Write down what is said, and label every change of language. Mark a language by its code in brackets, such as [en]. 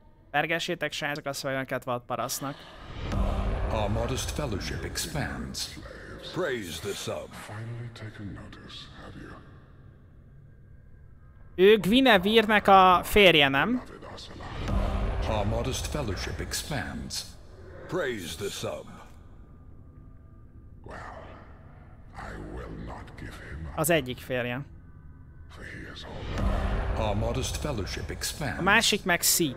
[hu] Pergessétek, srácok, a szövegeket vadparasztnak. [en] Our modest fellowship expands. Praise the sub. Finally taken notice, have you? [hu] Ő Gwinevere-nek a férje, nem? [en] Our modest fellowship expands. Praise the sub. Well, I will not give him up. [hu] Az egyik férje. [en] For he is all right. Our modest fellowship expands. [hu] A másik meg Seat.